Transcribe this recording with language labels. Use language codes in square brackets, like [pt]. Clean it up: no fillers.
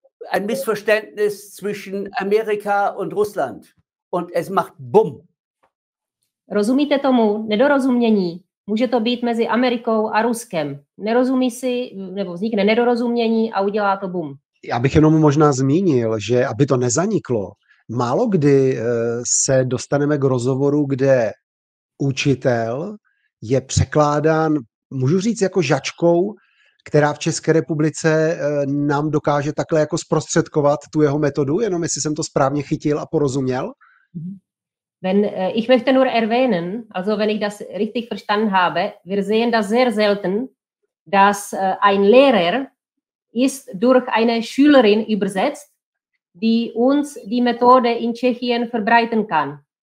[de] Ein Missverständnis zwischen Amerika und Russland. Und es macht bumm. [cs] Rozumíte tomu? Nedorozumění. Může to být mezi Amerikou a Ruskem. Nerozumí si, nebo vznikne nedorozumění a udělá to bum. Já bych jenom možná zmínil, že aby to nezaniklo, málo kdy se dostaneme k rozhovoru, kde učitel je překládán, můžu říct, jako žačkou, která v České republice nám dokáže takhle jako zprostředkovat tu jeho metodu, jenom jestli jsem to správně chytil a porozuměl. [de] Wenn ich möchte nur erwähnen, also wenn ich das richtig verstanden habe, wir sehen das sehr selten, dass ein Lehrer ist durch eine Schülerin übersetzt, die uns die Methode in Tschechien verbreiten kann.